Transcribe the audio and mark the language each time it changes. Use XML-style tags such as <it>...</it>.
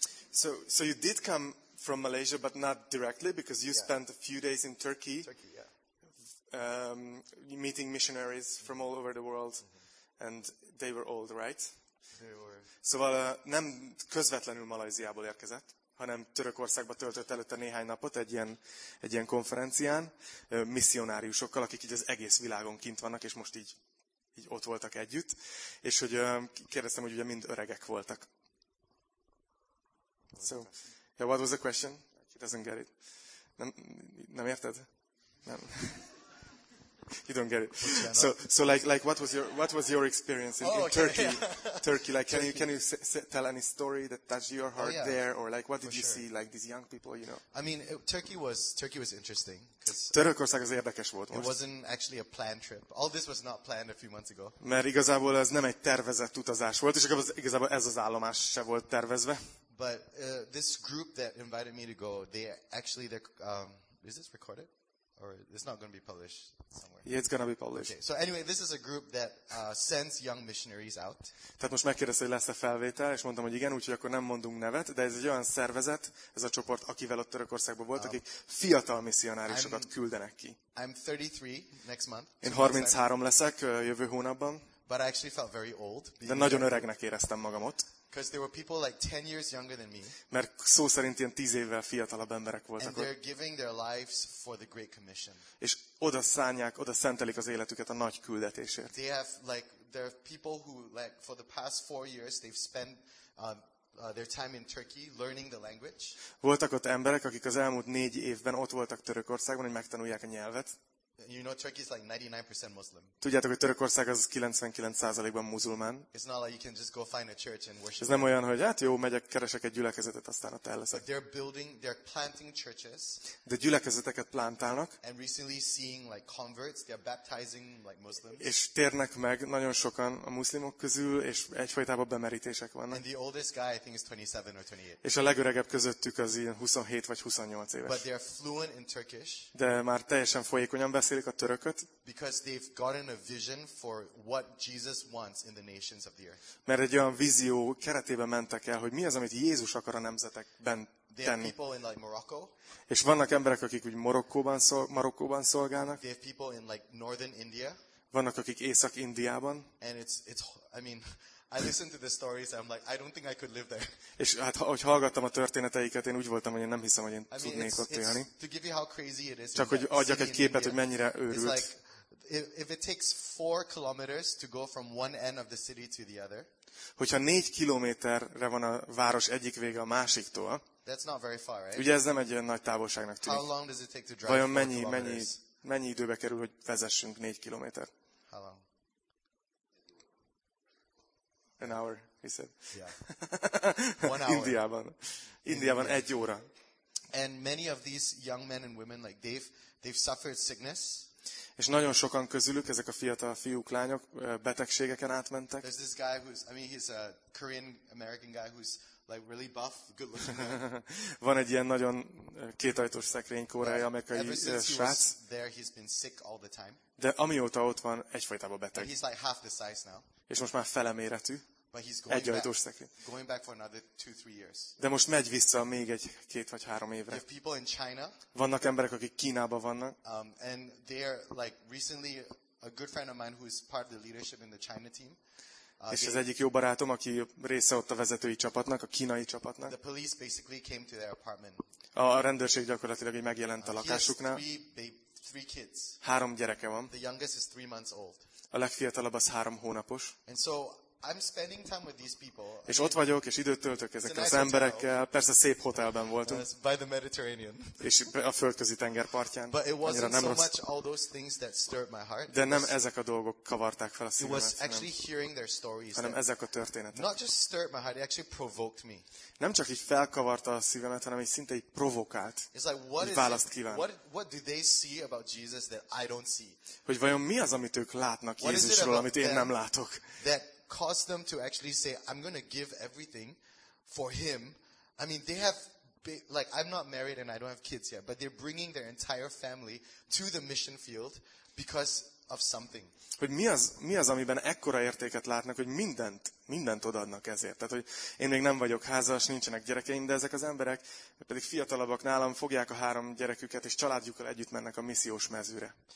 <en>So you did come from Malaysia, but not directly, because you spent a few days in Turkey. Turkey, yeah. Meeting missionaries from all over the world, and they were old, right? They were.</en> <hu>Szóval nem közvetlenül Malajziából érkezett, hanem Törökországba töltött előtte néhány napot egy ilyen konferencián misszionáriusokkal, akik így az egész világon kint vannak, és most így ott voltak együtt, és hogy kérdeztem, hogy ugye mind öregek voltak.</hu> <en>So, yeah, what was the question? He doesn't get it.</en> <hu>Nem érted? Nem.</hu> <en>You don't get it. So like what was your experience in Turkey? Yeah. Turkey, like Turkey. can you tell any story that touched your heart there, or like what did you see, like these young people, you know? I mean, Turkey was interesting because</en> <hu>Törökország az érdekes volt.</hu> <en>It wasn't actually a planned trip. All this was not planned a few months ago.</en> <hu>Mert igazából ez nem egy tervezett utazás volt, és igazából ez az állomás se volt tervezve.</hu> <en>But this group that invited me to go, they actually is this recorded? Or it's not going to be published somewhere. Yeah, it's going to be published. Okay. So anyway, this is a group that sends young missionaries out.</en> <hu>Tehát most megkérdezte, hogy lesz-e felvétel, és mondtam, hogy igen, úgyhogy akkor nem mondunk nevet, de ez egy olyan szervezet, ez a csoport, akivel ott Törökországban volt, akik fiatal missionáriusokat küldenek ki.</hu> <en>I'm 33 next month.</en> <hu>Én 33 leszek jövő hónapban.</hu> <en>But I actually felt very old.</en> <hu>De nagyon öregnek éreztem magam ott.</hu> <en>Because there were people like 10 years younger than me.</en> <hu>Mert szó szerint ilyen 10 évvel fiatalabb emberek voltak.</hu> <en>And they're giving their lives for the Great Commission.</en> <hu>És oda szánják, oda szentelik az életüket a nagy küldetésért.</hu> <en>They have like there are people who like for the past 4 years they've spent their time in Turkey learning the language.</en> <hu>Voltak ott emberek, akik az elmúlt 4 évben ott voltak Törökországban, hogy megtanulják a nyelvet.</hu> <en>You know Turkey is like 99% Muslim.</en> <hu>Tudjátok, hogy Törökország az 99%-ban muzulmán.</hu> <en>It's not like you can just go find a church and worship.</en> <hu>Ez nem olyan, hogy hát jó, megyek, keresek egy gyülekezetet, aztán ott elleszek.</hu> <en>But they're building, they're planting churches.</en> <hu>De gyülekezeteket plantálnak.</hu> <en>And recently seeing like converts, they're baptizing like Muslims.</en> <hu>És térnek meg nagyon sokan a muszlimok közül, és egyfajtában bemerítések vannak.</hu> <en>And the oldest guy, I think, is 27 or 28.</en> <hu>És a legöregebb közöttük az ilyen 27 vagy 28 éves.</hu> <en>But they're fluent in Turkish.</en> <hu>De már teljesen folyékonyan beszélik a törököt.</hu> <en>Because they've gotten a vision for what Jesus wants in the nations of the earth.</en> <hu>Mert egy olyan vízió keretében mentek el, hogy mi az, amit Jézus akar a nemzetekben tenni.</hu> <en>They have people in like Morocco.</en> <hu>És vannak emberek, akik úgy Marokkóban szolgálnak.</hu> <en>They have people in like northern India.</en> <hu>Vannak, akik Észak-Indiában.</hu> <en>And it's I mean, I listen to the stories and I'm like, I don't think I could live there.</en> <hu>És hát, ahogy hallgattam a történeteiket, én úgy voltam, hogy én nem hiszem, hogy én tudnék ott élni.</hu> <en>To give you how crazy it is.</en> <hu>Csak hogy adjak egy képet, hogy mennyire őrült.</hu> <en>It's like, if it takes 4 kilometers to go from one end of the city to the other.</en> <hu>Hogyha 4 kilométerre van a város egyik vége a másiktól.</hu> <en>That's not very far, right?</en> <hu>Ugye ez nem egy nagy távolságnak tűnik.</hu> <en>How long does it take to drive?</en> <hu>Vajon mennyi időbe kerül, hogy vezessünk 4 kilométert?</hu> <en>How long? An hour, he said. Yeah. 1 hour.</en> <hu>Indiában. Indiában egy óra.</hu> <en>And many of these young men and women, like they've suffered sickness.</en> <hu>És nagyon sokan közülük, ezek a fiatal fiúk, lányok, betegségeken átmentek.</hu> <en>There's this guy who's, I mean, he's a Korean-American guy who's like really buff, good looking.</en> <hu>Van egy ilyen nagyon kétajtós szekrény kórája, amerikai srác.</hu> <en>There he's been sick all the time.</en> <hu>De amióta ott van, egyfajtában beteg.</hu> <en>And he's like half the size now.</en> <hu>És most már fele méretű.</hu> <en>But he's going back for another 2-3 years.</en> <hu>De most megy vissza még egy 2 vagy 3 évre.</hu> <en>There are people in China.</en> <hu>Vannak emberek, akik Kínában vannak.</hu> <en>And they're like recently a good friend of mine who is part of the leadership in the China team.</en> <hu>És az egyik jó barátom, aki része ott a vezetői csapatnak, a kínai csapatnak.</hu> <en>The police basically came to their apartment.</en> <hu>A rendőrség gyakorlatilag így megjelent a lakásuknál.</hu> <en>Three kids.</en> <hu>3 gyereke van.</hu> <en>The youngest is 3 months old.</en> <hu>A legfiatalabb az 3 hónapos.</hu> <en>And so I'm spending time with these people.</en> <hu>És ott vagyok, és időt töltök ezekkel az emberekkel. Persze szép hotelben voltunk.</hu> <en>By the Mediterranean.</en> <hu>És a földközi tengerpartján.</hu> <en>But it wasn't so much all those things that stirred my heart.</en> <hu>De nem ezek a dolgok kavarták fel a szívemet.</hu> <en>It was actually hearing their stories.</en> <hu>Hanem ezek a történetek.</hu> <en>Not just stirred my heart, it actually provoked me.</en> <hu>Nem csak így felkavarta a szívemet, hanem így szinte így provokált.</hu> <en>It's like, what</en> <hu>így választ kíván.</hu> <en>What do they see about Jesus that I don't see?</en> <hu>Hogy vajon mi az, amit ők látnak Jézusról, amit én nem látok?</hu> <en>That caused them to actually say, I'm going to give everything for him. I mean, they have, like, I'm not married and I don't have kids yet, but they're bringing their entire family to the mission field because of something.</en> <hu>Hogy mi az, amiben ekkora értéket látnak, hogy mindent odaadnak ezért. Tehát, hogy én még nem vagyok házas, nincsenek gyerekeim, de ezek az emberek pedig fiatalabbak nálam, fogják a 3 gyereküket, és családjukkal együtt mennek a missziós mezőre.</hu>